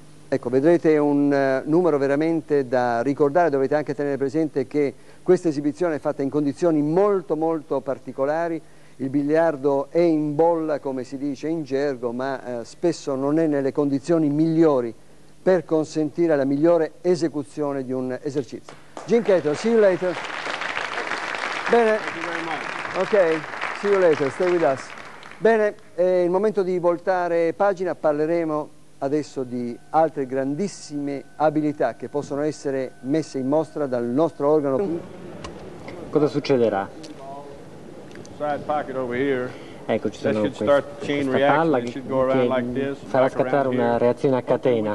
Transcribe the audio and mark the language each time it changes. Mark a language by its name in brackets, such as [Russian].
[Italian] Ecco, vedrete un numero veramente da ricordare, dovete anche tenere presente che questa esibizione è fatta in condizioni molto molto particolari. Il biliardo è in bolla, come si dice in gergo, ma spesso non è nelle condizioni migliori per consentire la migliore esecuzione di un esercizio. [English] Gene Catron, see you later. [Italian] Bene. [English] Ok, see you later, stay with us. [Italian] Bene, è il momento di voltare pagina, parleremo adesso di altre grandissime abilità che possono essere messe in mostra dal nostro organo. Cosa succederà? [English] Side pocket over here. [Italian] Ecco, ci sono questa palla che farà scattare una reazione a catena.